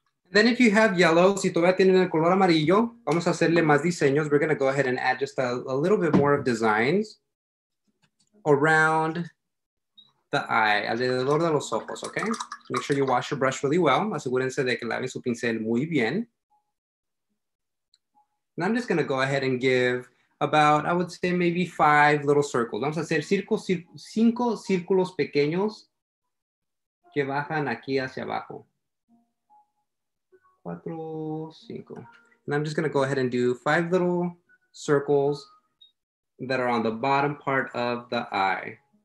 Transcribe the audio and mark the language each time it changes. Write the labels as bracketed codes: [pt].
[en] Then if you have yellow, [es] si todavía tienen el color amarillo, vamos a hacerle más diseños. [en] We're going to go ahead and add just a little bit more of designs around the eye, [es] alrededor de los ojos, [en] okay? Make sure you wash your brush really well. [es] Asegúrense de que laven su pincel muy bien. [en] And I'm just going to go ahead and give about, I would say, maybe 5 little circles. [es] Vamos a hacer 5 círculos pequeños que bajan aquí hacia abajo. [en] 4, 5. And I'm just gonna go ahead and do 5 little circles that are on the bottom part of the eye.